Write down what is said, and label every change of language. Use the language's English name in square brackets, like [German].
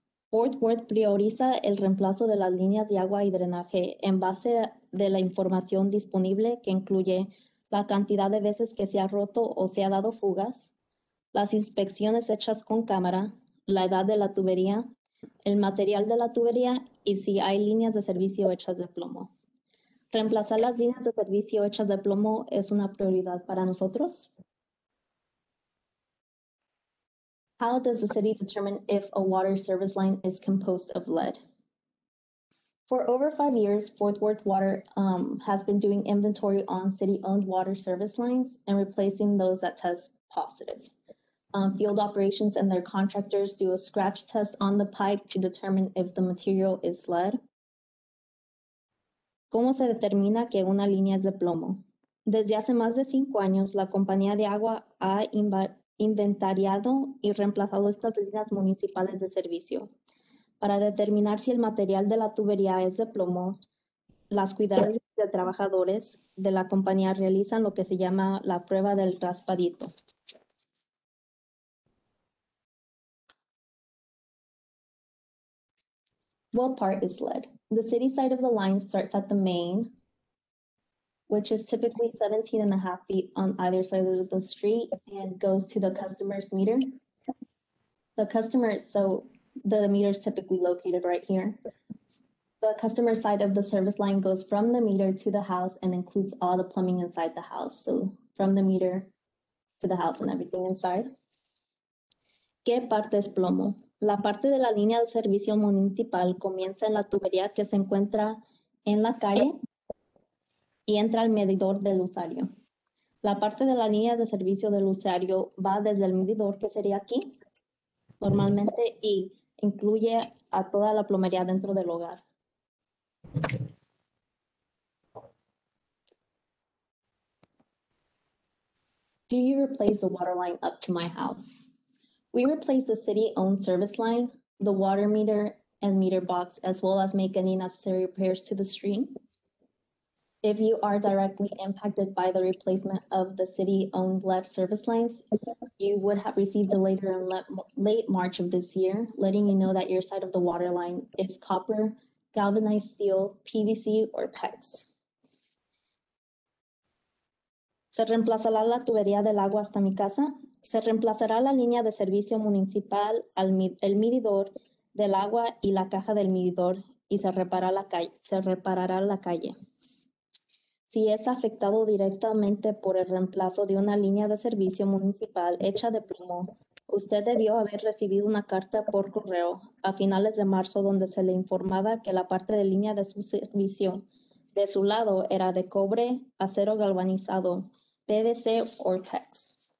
[Spanish] Fourth Ward prioriza el reemplazo de las líneas de agua y drenaje en base de la información disponible que incluye la cantidad de veces que se ha roto o se ha dado fugas, las inspecciones hechas con cámara, la edad de la tubería, el material de la tubería y si hay líneas de servicio hechas de plomo. Reemplazar las líneas de servicio hechas de plomo es una prioridad para nosotros. [English] How does the city determine if a water service line is composed of lead? For over 5 years, Fort Worth Water has been doing inventory on city-owned water service lines and replacing those that test positive. Field operations and their contractors do a scratch test on the pipe to determine if the material is lead. [Spanish] ¿Cómo se determina que una línea es de plomo? Desde hace más de 5 años, la compañía de agua ha inventariado y reemplazado estas líneas municipales de servicio. Para determinar si el material de la tubería es de plomo, las cuidadoras de trabajadores de la compañía realizan lo que se llama la prueba del raspadito. [English] What part is lead? The city side of the line starts at the main, which is typically 17.5 feet on either side of the street and goes to the customer's meter. The meter is typically located right here. The customer side of the service line goes from the meter to the house and includes all the plumbing inside the house. So from the meter to the house and everything inside. [Spanish] ¿Qué parte es plomo? La parte de la línea de servicio municipal comienza en la tubería que se encuentra en la calle y entra al medidor del usuario. La parte de la línea de servicio del usuario va desde el medidor, que sería aquí, normalmente, y incluye a toda la plomería dentro del hogar. [English] Do you replace the water line up to my house? We replace the city-owned service line, the water meter and meter box, as well as make any necessary repairs to the street. If you are directly impacted by the replacement of the city-owned lead service lines, you would have received a letter in late March of this year, letting you know that your side of the water line is copper, galvanized steel, PVC, or PEX. [Spanish] ¿Se reemplazará la tubería del agua hasta mi casa? Se reemplazará la línea de servicio municipal, el medidor del agua y la caja del medidor, y se reparará la calle. Si es afectado directamente por el reemplazo de una línea de servicio municipal hecha de plomo, usted debió haber recibido una carta por correo a finales de marzo donde se le informaba que la parte de línea de su servicio de su lado era de cobre, acero galvanizado, PVC o PEX.